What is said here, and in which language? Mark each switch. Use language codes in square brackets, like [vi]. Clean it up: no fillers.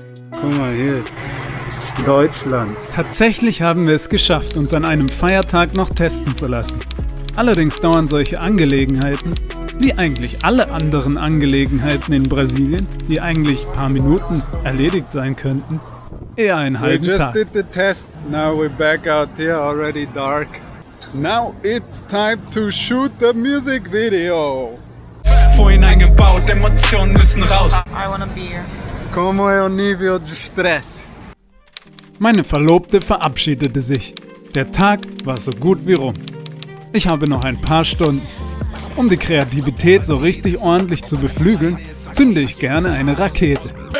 [de] Guck mal hier, Deutschland. Tatsächlich haben wir es geschafft, uns an einem Feiertag noch testen zu lassen. Allerdings dauern solche Angelegenheiten, wie eigentlich alle anderen Angelegenheiten in Brasilien, die eigentlich ein paar Minuten erledigt sein könnten, eher einen halben Tag. [en] We just did the test, now we're back out here, already dark. Now it's time to shoot the music video. [de] Vorhin eingebaut, Emotionen müssen raus. [en] I want a beer. [pt] Como é o nível de stress? [de] Meine Verlobte verabschiedete sich. Der Tag war so gut wie rum. Ich habe noch ein paar Stunden. Um die Kreativität so richtig ordentlich zu beflügeln, zünde ich gerne eine Rakete.